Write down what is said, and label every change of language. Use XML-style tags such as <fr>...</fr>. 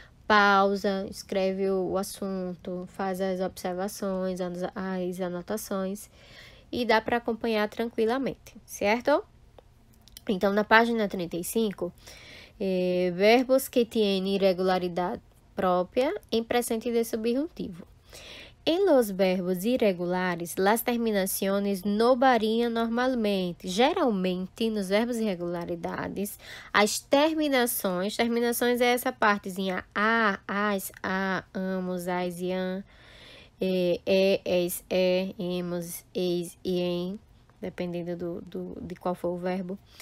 <pt>Pausa, escreve o assunto, faz as observações, as anotações e dá para acompanhar tranquilamente, certo? Então, na página 35, verbos que têm irregularidade própria em presente de subjuntivo.</pt> <es>Em los verbos irregulares, las terminaciones no varían normalmente.</es> <pt>Geralmente, nos verbos irregularidades, as terminações é essa partezinha a, as, a, amos, as, ian, es, emos, eis, ien, dependendo de qual for o verbo.</pt>